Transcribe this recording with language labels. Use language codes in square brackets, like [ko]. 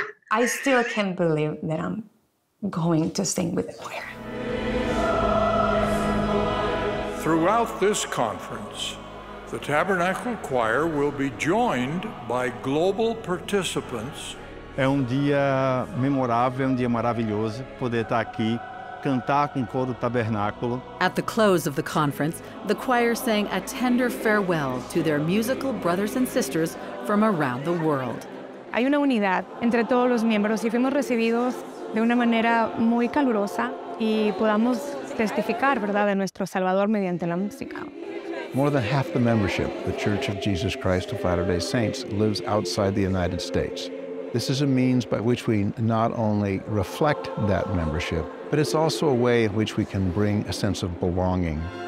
[en] I still can't believe that I'm going to sing with the choir. Throughout this conference, the Tabernacle Choir will be joined by global participants. [pt] É um dia memorável, um dia maravilhoso poder estar aqui, cantar com o coro Tabernáculo. [en] At the close of the conference, the choir sang a tender farewell to their musical brothers and sisters from around the world. [es] Hay una unidad entre todos los miembros y fuimos recibidos de una manera muy calurosa y podamos testificar, ¿verdad?, de nuestro Salvador mediante la música. [en] More than half the membership, the Church of Jesus Christ of Latter-day Saints, lives outside the United States. This is a means by which we not only reflect that membership, but it's also a way in which we can bring a sense of belonging.